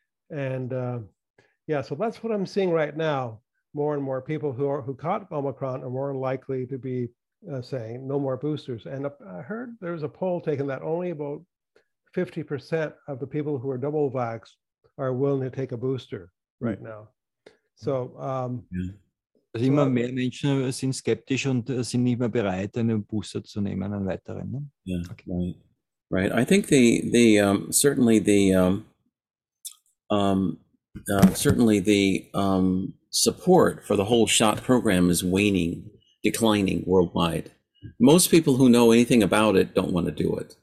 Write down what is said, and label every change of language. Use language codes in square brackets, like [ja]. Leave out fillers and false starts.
[en] And so that's what I'm seeing right now. More and more people who caught Omicron are more likely to be saying no more boosters. And I heard there was a poll taken that only about 50% of the people who are double vaxxed are willing to take a booster right now. So, [de] Also immer mehr Menschen sind skeptisch und sind nicht mehr bereit, einen Booster zu nehmen, einen weiteren. Ne? [en] Yeah, okay. Right. I think the support for the whole shot program is waning, declining worldwide. most people who know anything about it don't want to do it.